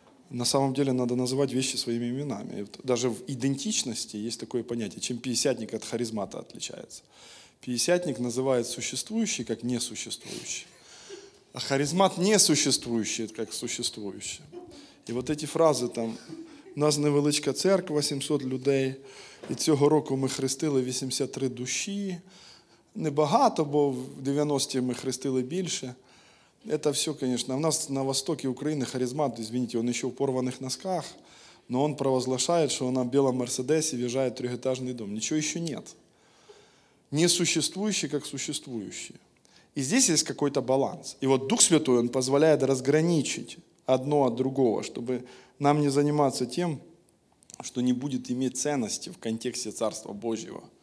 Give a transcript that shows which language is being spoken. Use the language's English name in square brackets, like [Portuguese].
[Russian] На самом деле надо называть вещи своими именами. И вот даже в идентичности есть такое понятие, чем пятидесятник от харизмата отличается. Пятидесятник называет существующий как несуществующий, а харизмат несуществующий как существующий. И вот эти фразы там: [Ukrainian] у нас невеличка церква, 800 людей, и цього року ми хрестили 83 душі, небагато, бо в 90-ті ми хрестили більше. [Russian] Это все, конечно, у нас на востоке Украины харизмат, извините, он еще в порванных носках, но он провозглашает, что на белом Мерседесе въезжает трехэтажный дом. Ничего еще нет. Несуществующие, как существующие. И здесь есть какой-то баланс. И вот Дух Святой, он позволяет разграничить одно от другого, чтобы нам не заниматься тем, что не будет иметь ценности в контексте Царства Божьего.